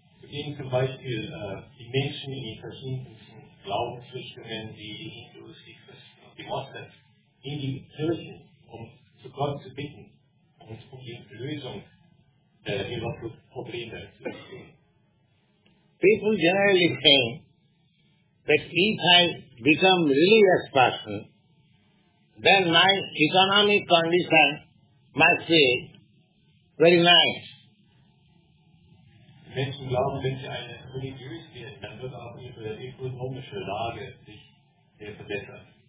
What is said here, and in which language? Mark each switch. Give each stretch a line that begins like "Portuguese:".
German: In zum Beispiel die Menschen in verschiedenen Glaubensrichtungen, die Hindus, die Christen und die Moslems, in die Kirchen, um zu Gott zu bitten und um die Lösung ihrer Probleme zu bekommen.
English: People generally think that if I become religious person, then my economic condition must be very nice.
German: Menschen glauben, wenn sie eine religiös werden, dann wird auch ihre ökonomische Lage sich sehr verbessern.